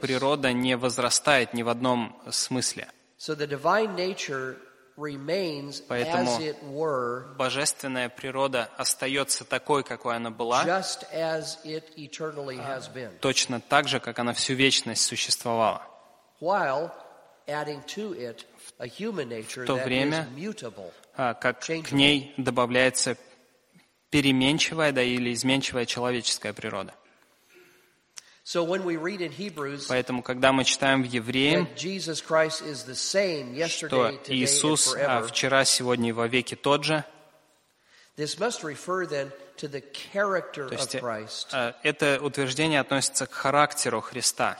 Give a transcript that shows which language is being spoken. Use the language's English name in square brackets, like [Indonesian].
[Russian] Природа не возрастает ни в одном смысле. [English] So the divine nature remains as it were. [Russian] Божественная природа остается такой, какой она была. [English] Just as it eternally has been. [Russian] Точно так же, как она всю вечность существовала. [English] While adding to it a human nature that is mutable. [Russian] Как к ней добавляется переменчивая, да, или изменчивая человеческая природа. [English] So when we read in Hebrews, [Russian] поэтому, когда мы читаем в Евреям, [English] Jesus Christ is the same yesterday, today, and forever, [Russian] что Иисус вчера, сегодня и вовеки тот же, [English] this must refer then to the character of Christ. [Russian] То есть, это утверждение относится к характеру Христа,